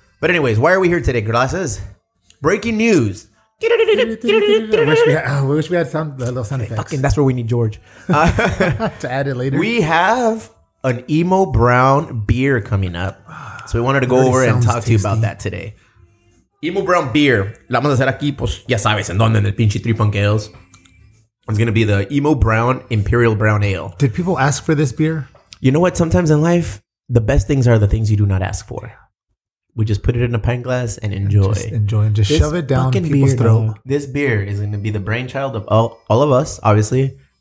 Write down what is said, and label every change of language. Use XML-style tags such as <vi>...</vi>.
<en>But anyways, why are we here today, glasses? Breaking news. I wish we had sound, little sound effects. Fucking, that's where we need George. to add it later. We have an emo brown beer coming up. So we wanted to go over and talk to you about that today. Emo Brown Beer.</en> <es>La vamos a hacer aquí, pues, ya sabes, en donde, en el pinche Three Punk Ales.</es> <en>It's going to be the Emo Brown Imperial Brown Ale. Did people ask for this beer? You know what? Sometimes in life, the best things are the things you do not ask for. We just put it in a pint glass and enjoy. Just enjoy and just shove it down people's throat. This beer is going to be the brainchild of all of us, obviously.</en>